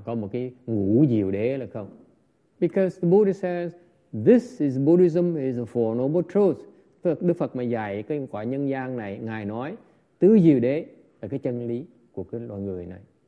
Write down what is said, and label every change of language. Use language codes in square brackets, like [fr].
[vi] Có một cái ngũ diệu đế là không? [en] Because the Buddha says this is Buddhism is the Four Noble Truths. [vi] Đức Phật mà dạy cái quả nhân gian này, ngài nói tứ diệu đế là cái chân lý của cái loài người này.